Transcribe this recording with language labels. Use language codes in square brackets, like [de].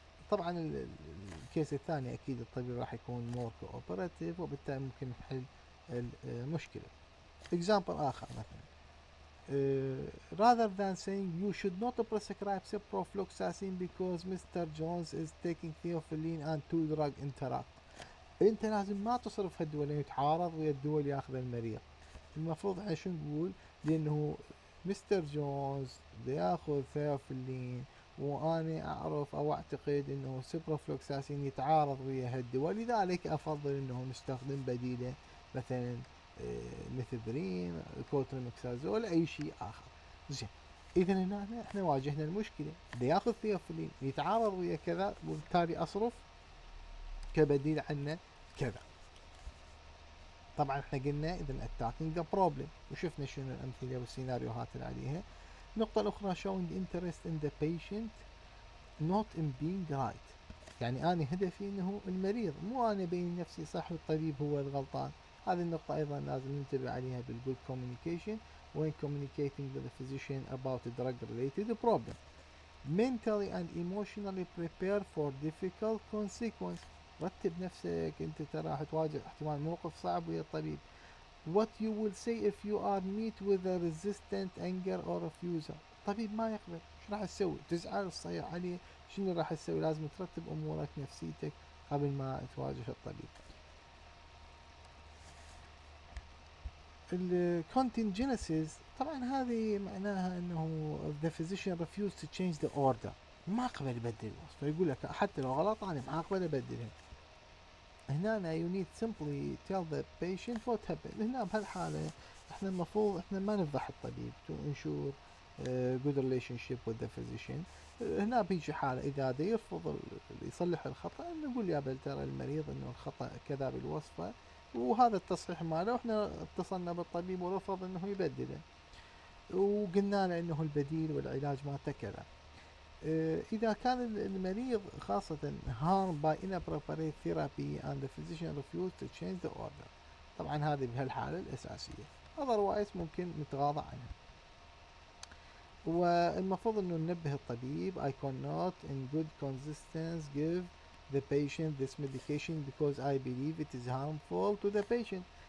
[ar] طبعا الكيس الثاني اكيد الطبيب راح يكون [en] more cooperative, [ar] وبالتالي ممكن نحل المشكله. اكزامبل اخر مثلا، [en] rather than saying you should not prescribe ciprofloxacin because Mr. Jones is taking theophylline and two drug interact، [ar] انت لازم ما تصرف هالدولين، يتعارض ويا الدول ياخذ المريض. المفروض احنا شو نقول؟ لانه مستر جونز بياخذ ثيوفلين، واني اعرف او اعتقد انه سيبروفلوكساسين يتعارض ويا هالدواء، لذلك افضل انه نستخدم بديله مثلا ميثادرين، كوتريمكسازول، اي شيء اخر. زين، اذا هنا احنا واجهنا المشكله، بياخذ ثيوفلين يتعارض ويا كذا، وبالتالي اصرف كبديل عنه كذا. طبعا احنا قلنا اذا [en] attacking the problem, [ar] وشفنا شنو الامثله والسيناريوهات اللي عليها. نقطة أخرى، [en] showing interest in the patient not in being right، [ar] يعني أنا هدفي أنه المريض، مو أنا بين نفسي صح والطبيب هو الغلطان. هذه النقطة أيضا لازم ننتبه عليها بال [en] good communication when communicating with the physician about the drug related problem. mentally and emotionally prepare for difficult consequence، [ar] رتب نفسك، أنت ترى راح تواجه احتمال موقف صعب ويا الطبيب. [en] What you will say if you are meet with a resistant anger or refusal، [ar] طبيب ما يقبل، شو راح تسوي؟ تزعل، تصيح عليه، شنو راح تسوي؟ لازم ترتب امورك، نفسيتك قبل ما تواجه الطبيب. ال contingencies طبعا هذه معناها انه [en] the physician refused to change the order، [ar] ما قبل يبدل الوصفة، يقول لك حتى لو غلط انا ما اقبل ابدلها. هنا [en] you need simply tell the patient what happened. [ar] هنا بهالحالة احنا المفروض احنا ما نفضح الطبيب، [en] to ensure good relationship with the physician. [ar] هنا بيجي حالة اذا ده يرفض يصلح الخطأ، نقول يا بل ترى المريض انه الخطأ كذا بالوصفة، وهذا التصحيح ماله، احنا اتصلنا بالطبيب ورفض انه يبدله، وقلنا له انه البديل والعلاج ما تكلم. إذا كان المريض خاصة [en] harmed by inappropriate therapy and the physician refused to change the order، [ar] طبعا هذه بهالحالة الأساسية، [en] otherwise [ar] ممكن نتغاضى عنها. والمفروض أنه ننبه الطبيب، [en] I cannot in good consistence give the patient this medication because I believe it is harmful to the patient.